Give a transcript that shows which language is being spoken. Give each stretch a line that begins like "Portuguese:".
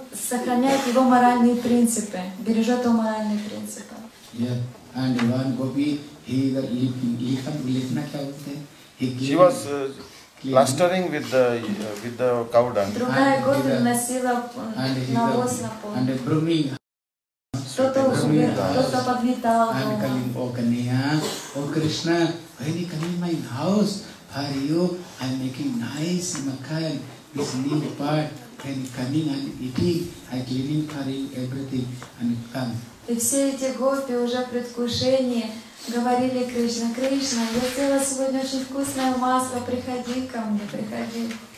Russian: Сохраняет его моральные принципы, бережет его моральные принципы.
English: And one gopi, he was lifting
Hindi: kya bolte hai,
English: she was plastering with the cow dung.
Russian: Другая гопи носила навоз на пол.
English: And brooming.
Russian: Кто-то подметал.
English: And coming, oh Kaniya, oh Krishna, when you come in my house, for you, I'm making nice makhan, this new part, and coming and eating, and cleaning, carrying everything, and come.
Russian: И все эти гопи уже в предвкушении говорили Кришна, Кришна, я сделала сегодня очень вкусное масло, приходи ко мне, приходи.